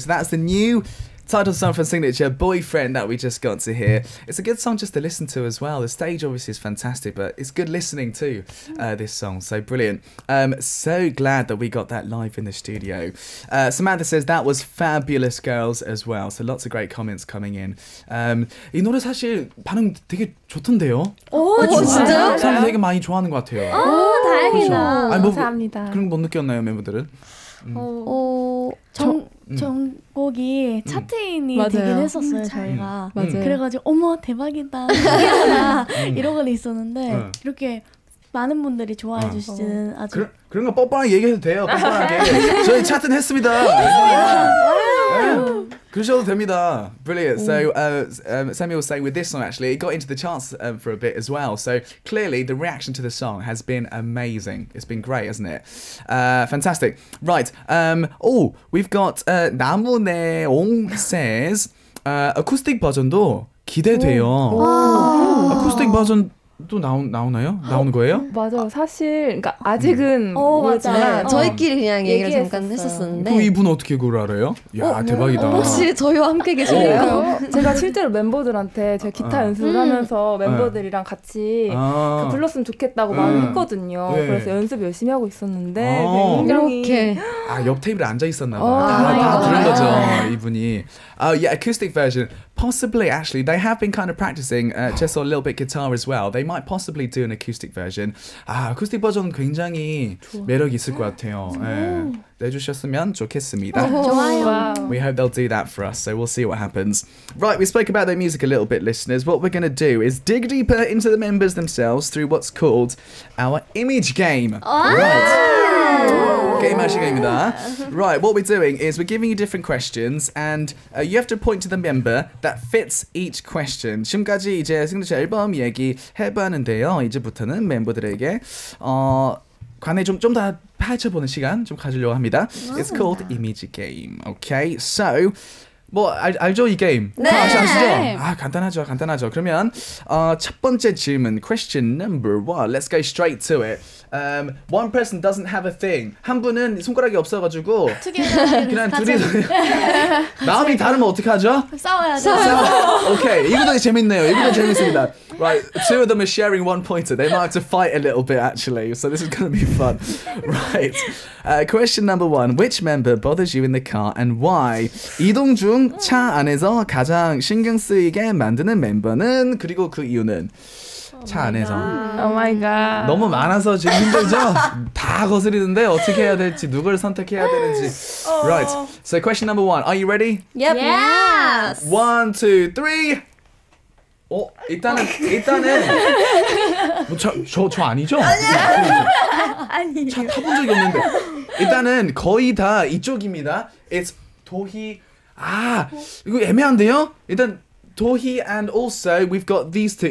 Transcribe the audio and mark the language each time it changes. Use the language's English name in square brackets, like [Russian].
[English] So that's the new title song from Signature, Boyfriend, that we just got to hear. It's a good song just to listen to as well. The stage obviously is fantastic, but it's good listening to this song. So brilliant. So glad that we got that live in the studio. Samantha says, that was fabulous, girls, as well. So lots of great comments coming in. [Korean] 이 노래 사실 반응 되게 좋던데요? 오, 진짜? 사람들 되게 많이 좋아하는 것 같아요. 다행이다. 뭐, 감사합니다. 그런 거 못 느꼈나요, 멤버들은? 정곡이 차트인이 되긴 했었어요, 저희가. 맞아요. 그래가지고 어머 대박이다 이런 건 있었는데 이렇게 많은 분들이 좋아해 주시는 아주 그런 거 뻔뻔하게 얘기해도 돼요. 뻔뻔하게 저희 차트는 했습니다. 그러셔도 됩니다. [English] Brilliant. So Samuel was saying with this song, actually, it got into the charts for a bit as well. So clearly the reaction to the song has been amazing. It's been great, hasn't it? Fantastic. Right. We've got 나무네옹 says, acoustic [Korean] 버전도 기대돼요. 와. Acoustic 버전 또 나오나요? 나오는 거예요? 맞아요. 사실 그러니까 아직은 모르지만 저희끼리 그냥 얘기를 잠깐 했었었는데 그럼 이분 어떻게 그걸 알아요? 야 대박이다. 혹시 저희와 함께 계신가요? 제가 실제로 멤버들한테 제가 기타 연습을 하면서 멤버들이랑 같이 불렀으면 좋겠다고 말했거든요. 그래서 연습 열심히 하고 있었는데 이렇게 아 옆 테이블에 앉아 있었나 봐. 다 그런 거죠 이분이. [English] Yeah, acoustic version. Possibly, actually, they have been kind of practicing just a little bit guitar as well. They might possibly do an acoustic version. [Korean] 아, 쿠스틱 버전 굉장히 좋아. 매력 있을 것 같아요. 네. 내주셨으면 좋겠습니다. 좋아요. [English] We hope they'll do that for us, so we'll see what happens. Right, we spoke about their music a little bit, listeners. What we're going to do is dig deeper into the members themselves through what's called our image game. Right. Game match [Korean] 게임이다. [English] Right, what we're doing is we're giving you different questions and you have to point to the member that fits each question. [Korean] 지금까지 이제 Signature 앨범 얘기 해봤는데요. 이제부터는 멤버들에게 관해 좀 더 펼쳐보는 시간 좀 가지려고 합니다. [English] It's called Image Game. Okay, so [Korean] 뭐 알죠 이 게임? 네! 아시죠? 아, 간단하죠. 그러면 첫 번째 질문, [English] question number one. Let's go straight to it. One person doesn't have a thing. [Korean] 한 분은 손가락이 없어가지고 그냥 둘이 마음이 다르면 어떻게 하죠? 싸워야죠. [English] Okay, [Korean] 이것도 재밌네요. 이것도 재밌습니다. [English] Right, two of them are sharing one pointer. They might have to fight a little bit actually, so this is going to be fun. Right, question number one. Which member bothers you in the car and why? [Korean] 이동 중 차 안에서 가장 신경 쓰이게 만드는 멤버는 그리고 그 이유는. 차 안에서 [English] oh my god [Korean] 너무 많아서 지금 힘들죠? 다 거스리는데 어떻게 해야 될지 누굴 선택해야 되는지 [English] Right, so question number one. Are you ready? Yep. Yes. One, two, three. [Korean] 어? 일단은 뭐 저 아니죠? 아니에요. 차 타본 적이 없는데 일단은 거의 다 이쪽입니다. It's 도희 아 이거 애매한데요? [English] 일단 도희 and also we've got these two.